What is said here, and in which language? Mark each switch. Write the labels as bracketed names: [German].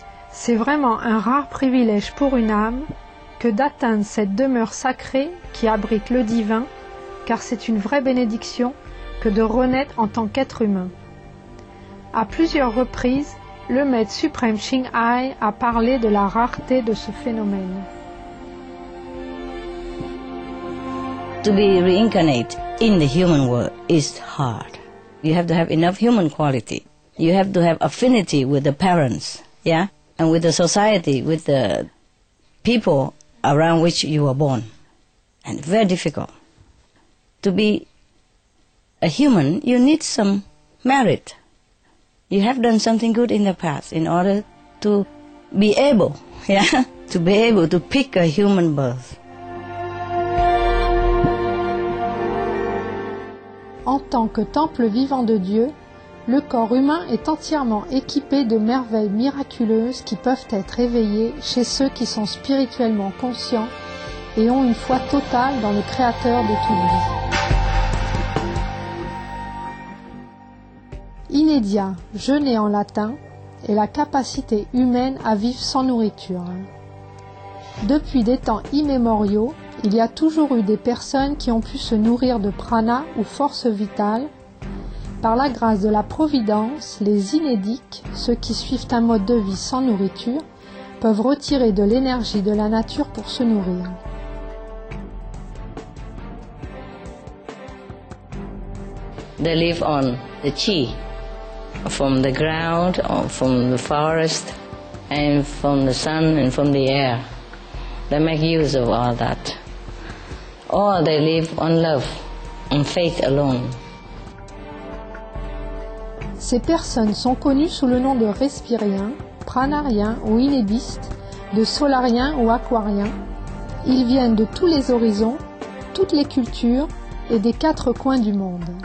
[French] C'est vraiment un rare privilège pour une âme que d'atteindre cette demeure sacrée qui abrite le divin, car c'est une vraie bénédiction que de renaître en tant qu'être humain. À plusieurs reprises, le maître suprême Ching Hai a parlé de la rareté de ce phénomène. [English] To be reincarnated in the human world is hard. You have to have enough human quality. You have to have affinity with the parents, yeah? And with the society, with the people around which you were born. And very difficult. To be a human, you need some merit. You have done something good in the past in order to be able, yeah? To be able to pick a human birth. [French] En tant que temple vivant de Dieu, le corps humain est entièrement équipé de merveilles miraculeuses qui peuvent être éveillées chez ceux qui sont spirituellement conscients et ont une foi totale dans le Créateur de toute vie. Inedia, jeûner en latin, est la capacité humaine à vivre sans nourriture. Depuis des temps immémoriaux, il y a toujours eu des personnes qui ont pu se nourrir de prana ou force vitale. Par la grâce de la Providence, les inédiques, ceux qui suivent un mode de vie sans nourriture, peuvent retirer de l'énergie de la nature pour se nourrir. [English] They live on the chi, from the ground, from the forest, and from the sun and from the air. They make use of all that. Or they live on love, on faith alone. [French] Ces personnes sont connues sous le nom de respiriens, pranariens ou inédistes, de solariens ou aquariens. Ils viennent de tous les horizons, toutes les cultures et des quatre coins du monde.